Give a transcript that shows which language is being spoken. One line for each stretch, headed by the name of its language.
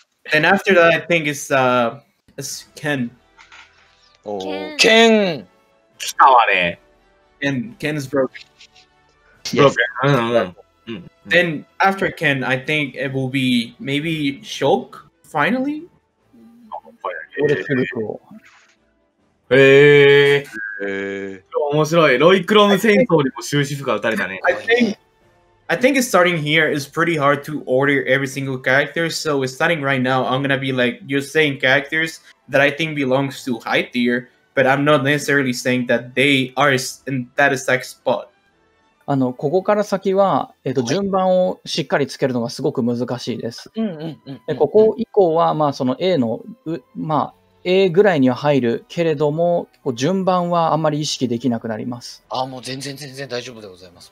English: Then after that, I think it's Ken. Oh, Ken. Ken is broken. Broken. Yes. I don't know. Then after Ken, I think it will be maybe Shulk. Finally. What a beautiful.
Japanese: 面白い。ロイクローム戦争にも終止符が打たれたね。
English: I think starting here is pretty hard to order every single character. So starting right now, I'm gonna be like you're saying characters that I think belongs to high tier, but I'm not necessarily saying that they are in that exact spot.
Japanese: あの、ここから先は、順番をしっかりつけるのがすごく難しいです。うんうんうん。ここ以降は、まあその A の、まあA ぐらいには入るけれども、結構順番はあんまり意識できなくなります。あ、もう全然全然大丈夫でございます。